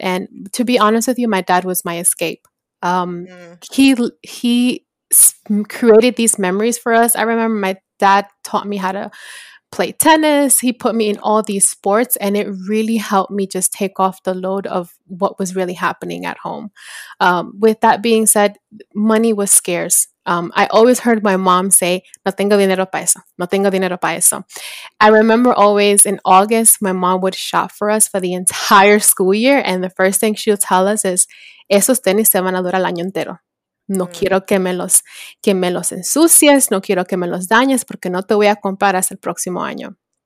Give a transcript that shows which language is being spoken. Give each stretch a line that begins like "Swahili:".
English: And to be honest with you, my dad was my escape. He created these memories for us. I remember my dad taught me how to play tennis. He put me in all these sports, and it really helped me just take off the load of what was really happening at home. With that being said, money was scarce. I always heard my mom say,
Spanish: no tengo dinero para eso,
English: no tengo dinero para eso. I remember always in August, my mom would shop for us for the entire school year, and the first thing she'll tell us is,
Spanish: esos tenis se van a durar el año entero. No quiero que me los ensucies, no quiero que me los dañes, porque no te voy a comprar hasta el próximo año.